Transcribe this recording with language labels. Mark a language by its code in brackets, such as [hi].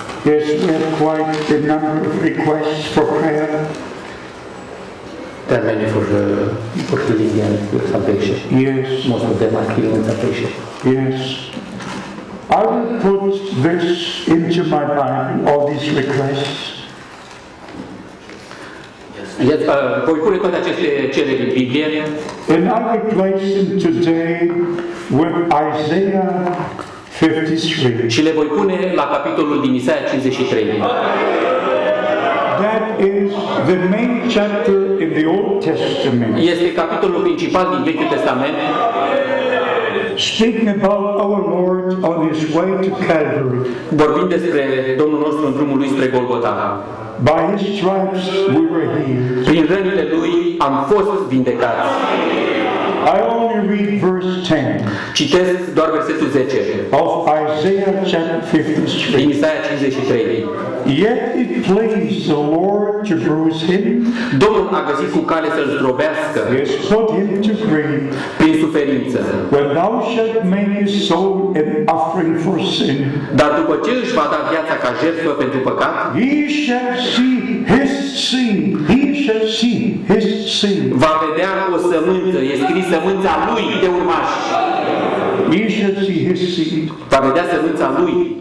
[en] Yes, we have quite a number of requests for prayer. There are many for healing and for salvation. Yes. Most of them are healing and salvation. Yes. I will put this into my mind, all these requests. [ro] Yes, voi pune toate aceste cereri în Biblie. [en] And I will place them today with Isaiah 53. [ro] Și le voi pune la capitolul din Isaia 53. [en] That is the main chapter in the Old Testament. [ro] Este capitolul principal din Vechiul Testament. [en] Speaking about our Lord on His way to Calvary. [ro] Vorbind despre Domnul nostru în drumul Lui spre Golgota. [en] By His stripes we were healed. [ro] Prin rănile Lui am fost vindecați. [en] I only read verse 10. [ro] Citesc doar versetul 10. [en] Of Isaiah chapter 53. [ro] Din Isaia 53. [en] Yet it pleased the Lord to bruise him. [ro] Domnul a găsit cu cale să-l zdrobească. [en] Yes, put him to grief. [ro] Prin suferință. [en] When thou shalt make his soul an offering for sin. [ro] Dar după ce își va da viața ca jertfă pentru păcat. [en] He shall see his sin. He shall see his sin. [ro] Va vedea o sămânță. Este scris sămânța lui de urmași. [en] He shall see his seed. [ro] Va vedea sămânța lui.